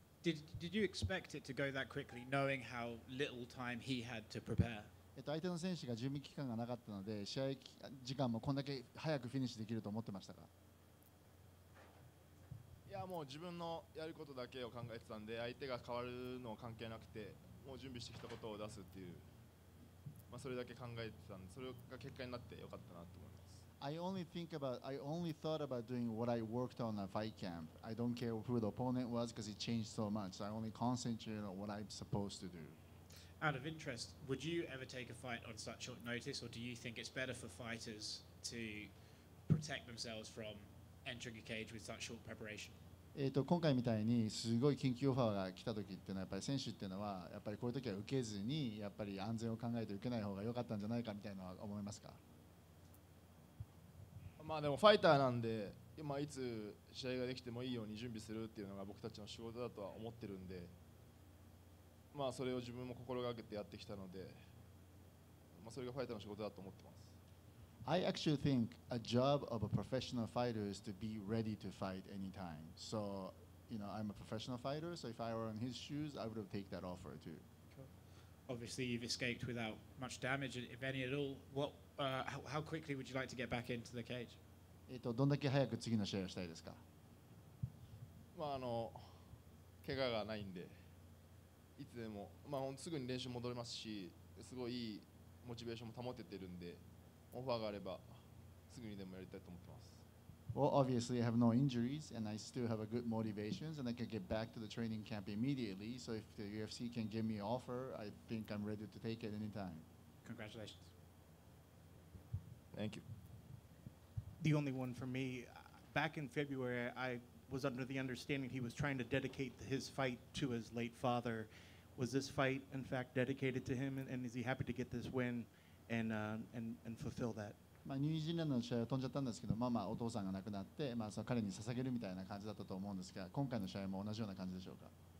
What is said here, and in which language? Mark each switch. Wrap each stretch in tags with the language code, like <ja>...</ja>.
<en>Did you expect it to go that quickly, knowing how little time he had to prepare?</en> <ja>相手の選手が準備期間がなかったので、試合時間もこんだけ早くフィニッシュできると思ってましたか？いやもう自分のやることだけを考えてたんで、相手が変わるの関係なくて、もう準備してきたことを出すっていう、まあ、それだけ考えてたんで、それが結果になってよかったなと思います。</ja> <en>I only thought about doing what I worked on at fight camp. I don't care who the opponent was because it changed so much. I only concentrated on what I'm supposed to do. Out of interest, would you ever take a fight on such short notice, or do you think it's better for fighters to protect themselves from entering a cage with such short preparation?</en> <ja>今回みたいにすごい緊急オファーが来た時っていうのはやっぱり選手っていうのはやっぱりこういう時は受けずにやっぱり安全を考えて受けない方が良かったんじゃないかみたいなのは思いますか？まあでもファイターなんで、まあ、いつ試合ができてもいいように準備するっていうのが僕たちの仕事だとは思ってるんで、まあそれを自分も心がけてやってきたので、まあ、それがファイターの仕事だと思ってます。</ja> <en>I actually think a job of a professional fighter is to be ready to fight anytime. So, you know, I'm a professional fighter, so if I were in his shoes, I would have taken that offer too. Obviously, you've escaped without much damage, if any at all. What, how quickly would you like to get back into the cage?</en> <ja>どんだけ早く次の試合をしたいですか？まあ、怪我がないんで、いつでも、まあ、すぐに練習戻れますし、すごいいいモチベーションも保ててるんで、オファーがあれば、すぐにでもやりたいと思ってます。</ja> <en>Well, obviously, I have no injuries, and I still have a good motivation, and I can get back to the training camp immediately. So, if the UFC can give me an offer, I think I'm ready to take it anytime. Congratulations. Thank you. The only one for me, back in February, I was under the understanding he was trying to dedicate his fight to his late father. Was this fight, in fact, dedicated to him, and is he happy to get this win and fulfill that?</en> <ja>まあ、ニュージーランドの試合は飛んじゃったんですけど、まあまあお父さんが亡くなって、まあその彼に捧げるみたいな感じだったと思うんですが、今回の試合も同じような感じでしょうか？</ja>